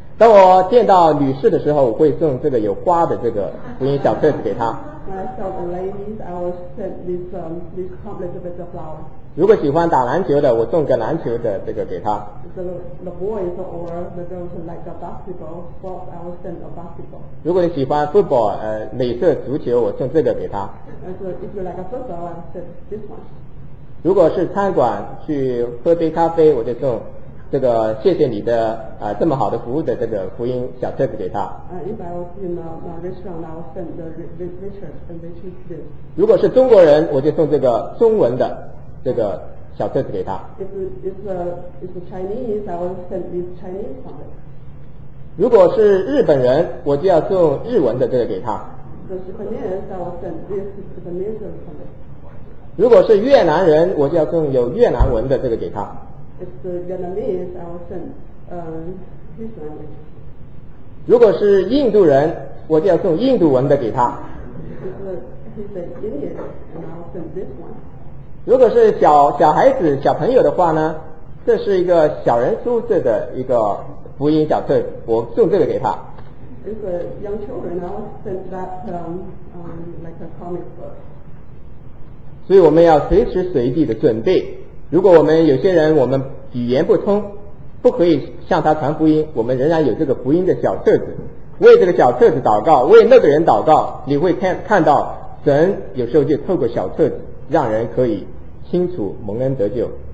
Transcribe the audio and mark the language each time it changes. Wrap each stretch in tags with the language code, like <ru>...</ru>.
<zh>当我见到女士的时候，我会送这个有花的这个福音小册子给她。</zh> <en>When I saw the ladies, I will send this pamphlet with the flowers.</en> <zh>如果喜欢打篮球的，我送个篮球的这个给她。</zh> <en>The boys or the girls like the basketball, so I will send a basketball.</en> <zh>如果你喜欢 football, 美式足球，我送这个给她。</zh> <en>So if you like a football, I will send this one.</en> <zh>如果是餐馆去喝杯咖啡，我就送这个谢谢你的这么好的服务的这个福音小册子给他。</zh> <en>If I was in a restaurant, I would send the Richard and Richard.</en> <zh>如果是中国人，我就送这个中文的这个小册子给他。</zh> <en>If it's Chinese, I would send this Chinese one.</en> <zh>如果是日本人，我就要送日文的这个给他。</zh> <en>The Japanese, I would send this Japanese one.</en> <zh>如果是越南人，我就要送有越南文的这个给他。</zh> <en>It's Vietnamese, I will send his language.</en> <zh>如果是印度人，我就要送印度文的给他。</zh> <en>He's an Indian, and I will send this one.</en> <zh>如果是小孩子、小朋友的话呢，这是一个小人书式的一个福音小册，我送这个给他。</zh> <en>If young children, I will send that like a comic book.</en> <zh>所以我们要随时随地的准备。如果我们有些人我们语言不通，不可以向他传福音，我们仍然有这个福音的小册子，为这个小册子祷告，为那个人祷告，你会看到神有时候就透过小册子让人可以清楚蒙恩得救。</zh>